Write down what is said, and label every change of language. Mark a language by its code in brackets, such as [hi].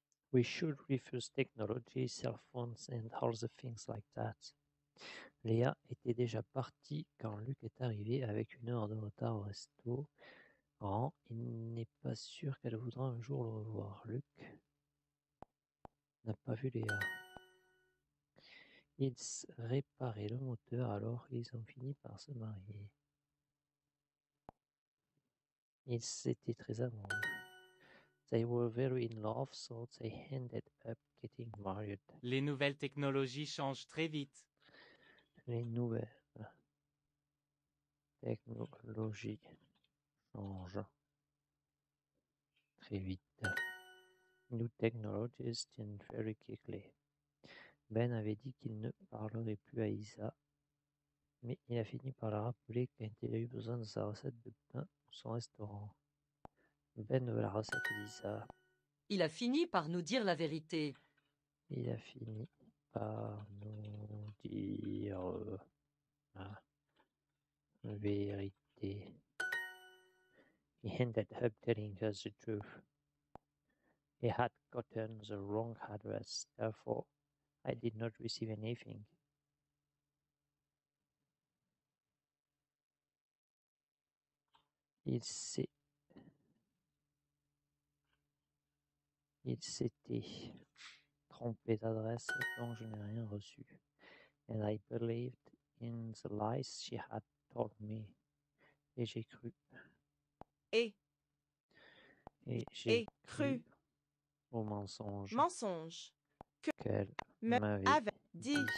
[en] We should refuse technology, cell phones, and all the things like that. [fr] Léa était déjà partie quand Luc est arrivé avec une heure de retard au resto. Oh, il n'est pas sûr qu'elle voudra un jour le revoir. Luc n'a pas vu Léa. Ils réparaient le moteur, alors ils ont fini par se marier. Ils étaient très amoureux. [en] They were very in love, so they ended up getting married. [fr] Les nouvelles technologies changent très vite. Les nouvelles technologies changent très vite. [en] New technologies change very quickly. [fr] Ben avait dit qu'il ne parlerait plus à Isa, mais il a fini par la rappeler quand il a eu besoin de sa recette de pain pour son restaurant. Ben veut la recette d'Isa. Il a fini par nous dire la vérité. Il a fini par nous dire la vérité. [en] He ended up telling us the truth. He had gotten the wrong address, therefore I did not receive anything. [fr] Il s'était trompé d'adresse, donc je n'ai rien reçu. [en] And I believed in the lies she had told me. [fr] Et j'ai cru. Et j'ai cru au mensonge. Mensonge. Qu'elle m'avait dit.